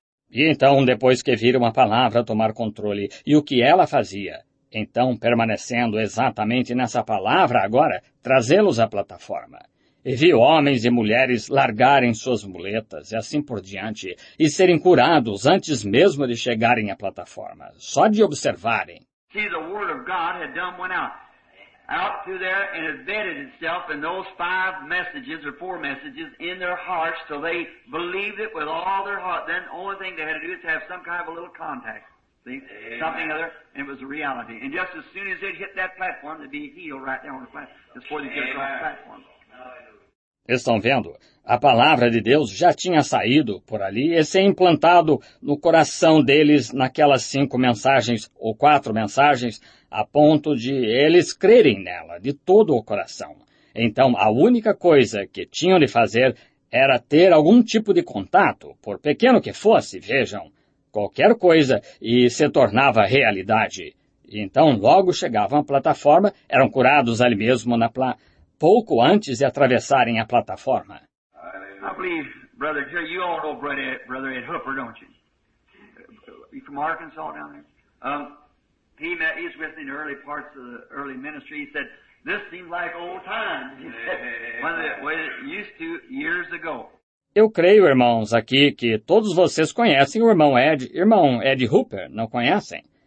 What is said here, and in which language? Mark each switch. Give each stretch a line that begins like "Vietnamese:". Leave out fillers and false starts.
Portuguese: E então, depois que viram a palavra tomar controle, e o que ela fazia? Então, permanecendo exatamente nessa palavra agora, trazê-los à plataforma. E vi homens e mulheres largarem suas muletas e assim por diante, e serem curados antes mesmo de chegarem à plataforma, só de observarem.
English: See, the word of God had done went out. Out through there and embedded itself in those five messages or four messages in their hearts till they believed it with all their heart. Then the only thing they had to do is have some kind of a little contact. See? Something other, and it was a reality. And just as soon as they hit that platform, they'd be healed right there on the platform. That's where they get across the platform.
Portuguese: Estão vendo? A palavra de Deus já tinha saído por ali e se implantado no coração deles naquelas cinco mensagens ou quatro mensagens, a ponto de eles crerem nela de todo o coração. Então, a única coisa que tinham de fazer era ter algum tipo de contato, por pequeno que fosse, vejam, qualquer coisa, e se tornava realidade. Então, logo chegavam à plataforma, eram curados ali mesmo na pouco antes de atravessarem a plataforma.
English: I believe, brother, you all know brother Ed Hooper, don't you? You from Arkansas down there? He's with me in the early parts of the early ministry. He said, this seems like old times. What it used to years ago.
Portuguese: Eu creio, irmãos, aqui que todos vocês conhecem o irmão Ed Hooper, não conhecem?